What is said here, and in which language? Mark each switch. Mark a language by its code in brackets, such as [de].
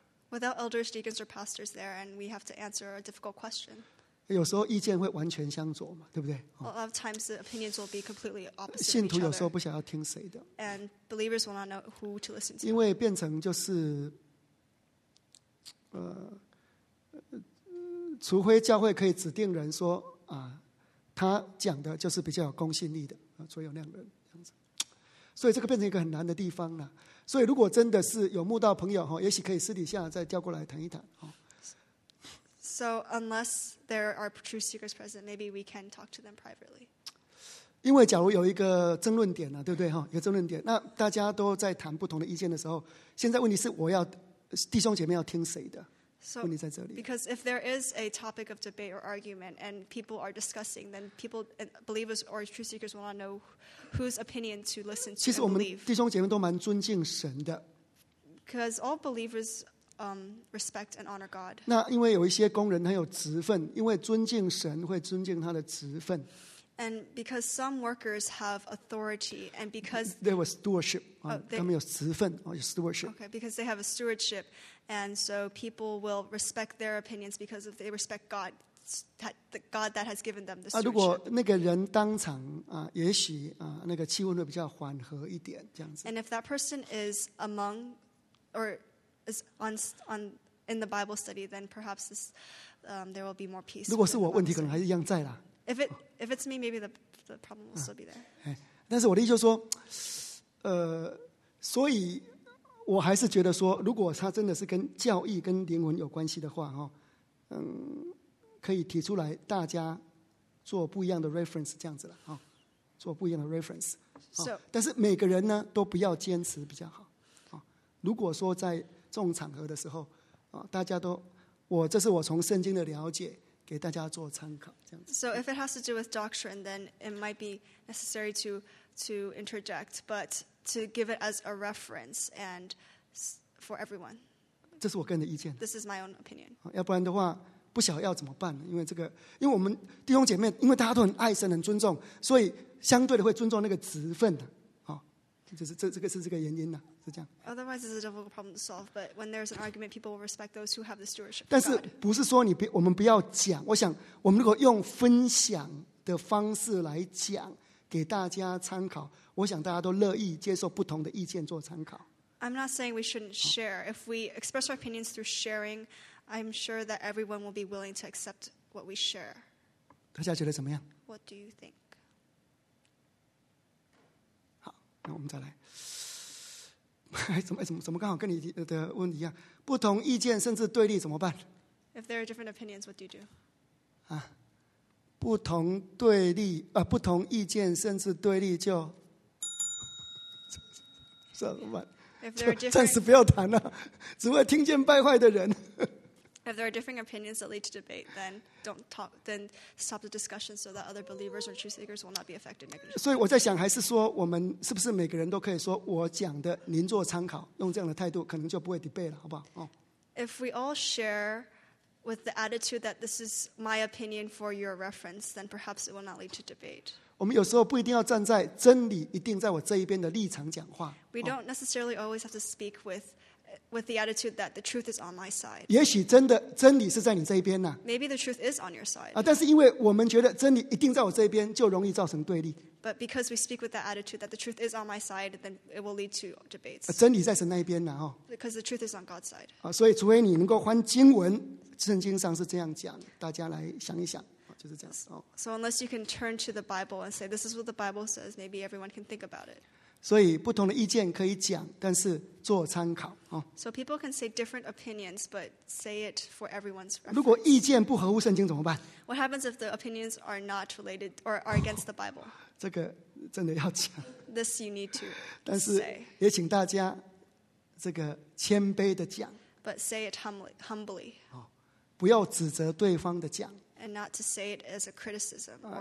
[en] Without elders, deacons, or pastors there, and we have to answer a difficult question. [zh] 有时候意见会完全相左嘛，对不对？ [en] A lot of times the opinions will be completely opposite of each other. [zh] 信徒有时候不想要听谁的。 [en] And believers will not know who to listen to. [zh] 因为变成就是，除非教会可以指定人说他讲的就是比较有公信力的所以有那样的人这样子。所以这个变成一个很难的地方了。所以如果真的是有慕道朋友也许可以私底下再叫过来谈一谈 [en] So unless there are true seekers present maybe we can talk to them privately [zh] 因为假如有一个争论点对不对一个争论点那大家都在谈不同的意见的时候现在问题是我要弟兄姐妹要听谁的 [en] so, [zh] 问题在这里 [en] Because if there is a topic of debate or argument and people are discussing then people believers or true seekers will not knowWhose opinion to listen to and believe? [zh] 其实我们弟兄姐妹都蛮尊敬神的。 [en] Because all believers respect and honor God. [zh] 那因为有一些工人很有职分，因为尊敬神会尊敬他的职分。 [en] And because some workers have authority, and because there was stewardship, [zh] 他们有职分，有 [en] stewardship. Okay, because they have a stewardship, and so people will respect their opinions because if they respect God, the God that has given them the stewardship. [zh] 如果那个人当场也许那个气氛会比较缓和一点，这样子。 [en] And if that person is among, or is on in the Bible study, then perhaps this, there will be more peace. [zh] 如果是我问题，可能还是一样在啦。 [en] If it's me, maybe the problem will still be there. [zh] 但是我的意思就是说，所以我还是觉得说，如果他真的是跟教义跟灵魂有关系的话，可以提出来大家做不一样的 reference 这样子了，做不一样的 reference。但是每个人呢都不要坚持比较好。如果说在这种场合的时候，大家都，我这是我从圣经的了解。给大家做参考，这样子。 [en] So if it has to do with doctrine, then it might be necessary to interject, but to give it as a reference and for everyone. [zh] 这是我个人的意见。 [en] This is my own opinion. [zh] 要不然的话，不晓得要怎么办呢？因为这个，因为我们弟兄姐妹，因为大家都很爱神、很尊重，所以相对的会尊重那个职分的。就是这个是这个原因呢、啊，是这样。 [en] Otherwise, it's a difficult problem to solve. But when there's an argument, people will respect those who have the stewardship. [zh] 但是不是说我们不要讲？我想我们如果用分享的方式来讲，给大家参考，我想大家都乐意接受不同的意见做参考。 [en] I'm not saying we shouldn't share. If we express our opinions through sharing, I'm sure that everyone will be willing to accept what we share. [zh] 大家觉得怎么样 [en] ？What do you think? [zh] 那我们再来，怎么刚好跟你的问题一样，不同意见甚至对立怎么办 [en] ？If there are different opinions, what do you do? [zh] 不同对立不同意见甚至对立就怎么办 [en] ？If there are different, [zh] 暂时不要谈了，只会听见败坏的人。 [en] If there are different opinions that lead to debate, then don't talk. Then stop the discussion so that other believers or truth seekers will not be affected negatively. [zh] 所以我在想，还是说我们是不是每个人都可以说我讲的，您做参考，用这样的态度，可能就不会 debate 了，好不好？ [en] If we all share with the attitude that this is my opinion for your reference, then perhaps it will not lead to debate. [zh] 我们有时候不一定要站在真理一定在我这一边的立场讲话。 [en] We don't necessarily always have to speak with the attitude that the truth is on my side. [zh] 也许真的真理是在你这一边呢。 [en] Maybe the truth is on your side. [zh] 但是因为我们觉得真理一定在我这一边，就容易造成对立。 [en] But because we speak with that attitude that the truth is on my side, then it will lead to debates. [zh] 真理在神那一边呢， [en] Because the truth is on God's side. [zh] 所以除非你能够翻经文，圣经上是这样讲，大家来想一想。就是这样子。 [en] So unless you can turn to the Bible and say, this is what the Bible says, maybe everyone can think about it. [zh] 所以不同的意见可以讲，但是做参考。 [en] So people can say different opinions, but say it for everyone's reference. [zh] 如果意见不合乎圣经怎么办？ [en] What happens if the opinions are not related or are against the Bible? [zh] 这个真的要讲。 [en] This you need to say. [zh] 但是也请大家这个谦卑的讲。 [en] But say it humbly. [zh] 不要指责对方的讲。 [en] And not to say it as a criticism.